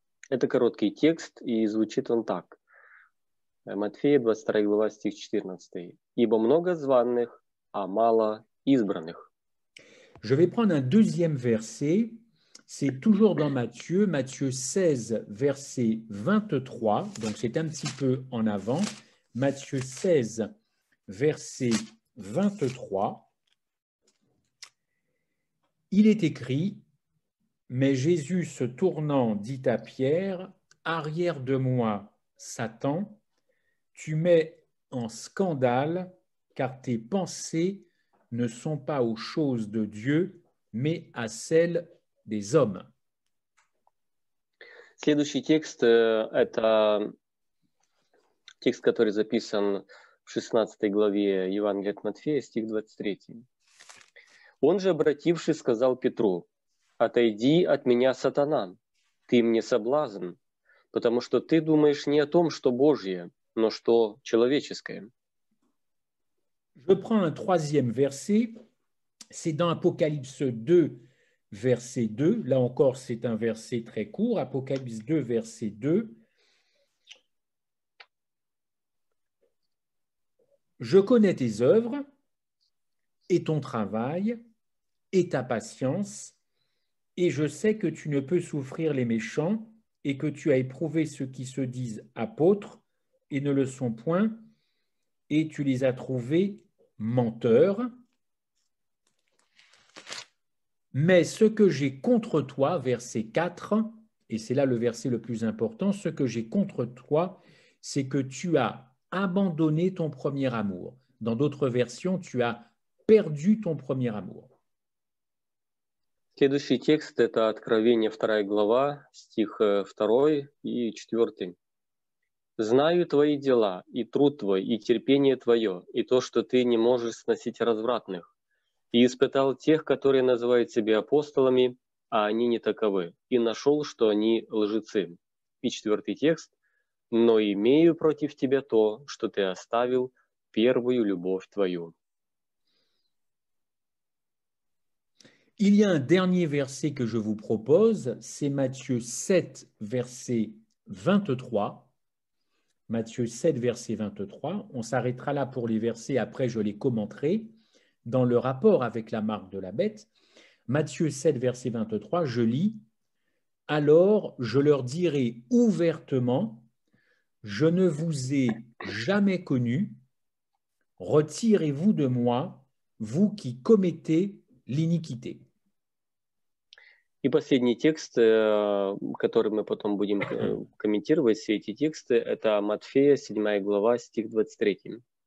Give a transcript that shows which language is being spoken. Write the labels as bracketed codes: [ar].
[ru] Это короткий текст, и звучит он так. Матфея 22 глава, стих 14. Ибо много званных, а мало избранных. [fr] Je vais prendre un deuxième verset. C'est toujours dans Matthieu, Matthieu 16 verset 23. Donc c'est un petit peu en avant. Matthieu 16 verset 23. Il est écrit, mais Jésus se tournant dit à Pierre, arrière de moi, Satan, tu mets en scandale, car tes pensées ne sont pas aux choses de Dieu, mais à celles des hommes. [ru] Следующий текст – это текст, который записан в 16 главе Евангелия от Матфея, стих 23. «Он же, обративши, сказал Петру, «Отойди от меня, сатана, ты мне соблазн, потому что ты думаешь не о том, что Божье, но что человеческое». [fr] Je prends un troisième verset, c'est dans Apocalypse 2, verset 2. Là encore, c'est un verset très court, Apocalypse 2, verset 2. Je connais tes œuvres et ton travail et ta patience, et je sais que tu ne peux souffrir les méchants et que tu as éprouvé ceux qui se disent apôtres et ne le sont point, et tu les as trouvés menteur, mais ce que j'ai contre toi, verset 4, et c'est là le verset le plus important, ce que j'ai contre toi, c'est que tu as abandonné ton premier amour. Dans d'autres versions, tu as perdu ton premier amour. [ru] Следующий текст – это Откровение, 2 глава, стих 2 и 4. «Знаю твои дела, и труд твой, и терпение твое, и то, что ты не можешь сносить развратных, и испытал тех, которые называют себя апостолами, а они не таковы, и нашел, что они лжецы». И четвертый текст. «Но имею против тебя то, что ты оставил первую любовь твою». [fr] Il y a un dernier verset que je vous propose, c'est Matthieu 7, verset 23. Matthieu 7, verset 23. On s'arrêtera là pour les versets, après je les commenterai dans le rapport avec la marque de la bête. Matthieu 7, verset 23, je lis. « Alors je leur dirai ouvertement, je ne vous ai jamais connu, retirez-vous de moi, vous qui commettez l'iniquité. » [ru] И последний текст, который мы потом будем комментировать, все эти тексты, это Матфея, 7 глава, стих 23.